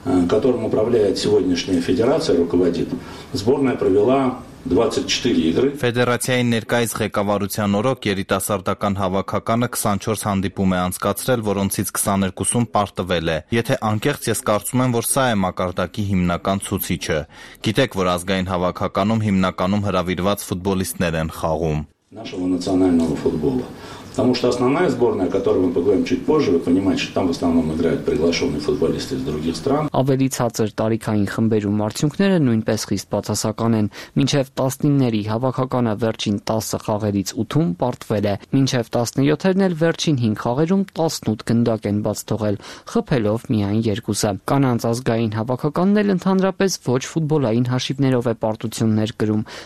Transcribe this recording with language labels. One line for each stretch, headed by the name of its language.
Russian: Которым управляет сегодняшняя федерация, руководит, сборная провела 24 игры.
Armenian: Ֆեդերացիայի ներկայիս ղեկավարության օրոք երիտասարդական հավաքականը 24 հանդիպում է անցկացրել, որոնցից 22-ում պարտվել է։ Եթե անկեղծ ես կարծում եմ, որ սա է մակարդակի հիմնական ցուցիչը։ Գիտեք, որ ազգային հավաքականում հիմնականում հրավիրված ֆուտբոլիստներ են խաղում։
Russian: нашего национального футбола. Потому что основная сборная, о которой мы поговорим чуть позже, вы понимаете, что там в основном играют приглашенные футболисты из других стран.
Armenian: Ավելի ցածր տարիքային խմբերում արդյունքները նույնպես խիստ բացասական են. Մինչև 19-ների հավաքականը վերջին 10 խաղերից 8-ում պարտվել է, մինչև 17-ներն էլ վերջին 5 խաղերում 18 գնդակ են բաց թողել, խփելով միայն 2-ը. Կանանց ազգային հավաքականն էլ ընդհանրապես ոչ ֆուտբոլային հաշիվներով է պարտություններ գրում.